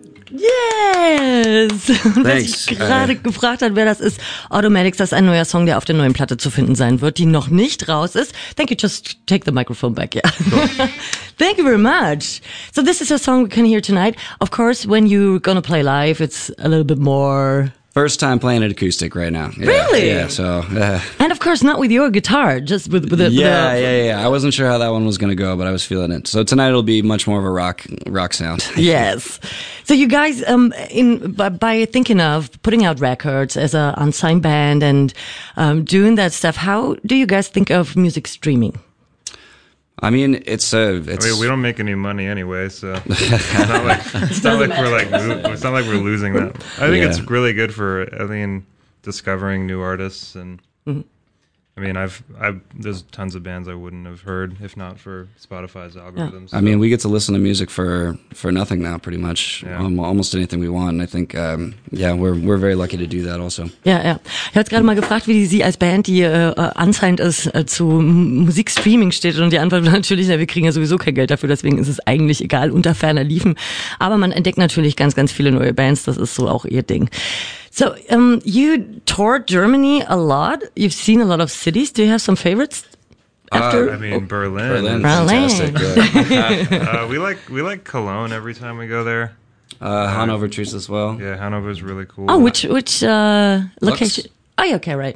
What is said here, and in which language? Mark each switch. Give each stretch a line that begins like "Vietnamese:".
German: Und wer sich gerade gefragt hat, wer das ist, Automatics, das ist ein neuer Song, der auf der neuen Platte zu finden sein wird, die noch nicht raus ist.
English: Thank you, just take the microphone back, yeah. Cool. Thank you very much. So this is a song we can hear tonight. Of course, when you're gonna play live, it's a little bit more... First time playing it acoustic right now. Yeah. Really? Yeah, so... And of course, not with your guitar, just with the... Yeah, with the... yeah, yeah. I wasn't sure how that one was going to go, but I was feeling it. So tonight it'll be much more of a rock sound. Yes. So you guys, by thinking of putting out records as an unsigned band and doing that stuff, how do you guys think of music streaming? I mean, it's a. It's... I mean, we don't make any money anyway, so it's not like we're losing that. I think it's really good for, I mean, discovering new artists, and mm-hmm. I mean, there's tons of bands I wouldn't have heard if not for Spotify's algorithms. Yeah. So. I mean, we get to listen to music for nothing now, pretty much, almost anything we want. And I think, we're very lucky to do that also. Yeah, yeah.
German: Ich habe gerade mal gefragt, wie Sie als Band, die unsigned ist, zu Musikstreaming steht. Und die Antwort war natürlich, wir kriegen ja sowieso kein Geld dafür, deswegen ist es eigentlich egal, unter ferner liefen. Aber man entdeckt natürlich ganz, ganz viele neue Bands, das ist so auch ihr Ding.
English: So, you toured Germany a lot, you've seen a lot of cities, do you have some favorites? Berlin. Berlin. Fantastic. we like Cologne every time we go there. Hanover treats as well. Yeah, Hanover is really cool. Oh, which location? Lux. Oh, okay, right.